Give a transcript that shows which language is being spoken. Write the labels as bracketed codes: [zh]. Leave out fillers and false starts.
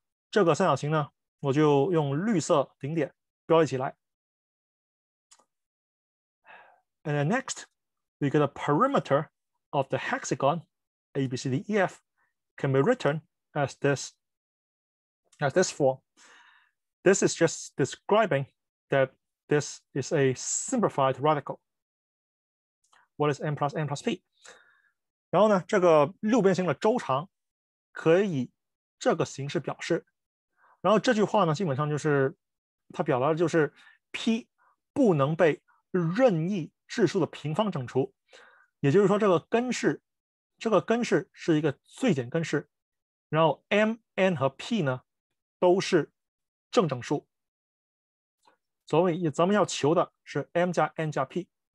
[zh] 这个三角形呢，我就用绿色顶点标了起来。 [en] And then next, we get a perimeter of the hexagon ABCDEF can be written as this form. This is just describing that this is a simplified radical. What is n plus p? [zh] 然后呢，这个六边形的周长可以这个形式表示。然后这句话呢，基本上就是它表达的就是 P 不能被任意质数的平方整除，也就是说这个根式是一个最简根式，然后 M、N 和 P 呢都是正整数，所以咱们要求的是 M 加 N 加 P。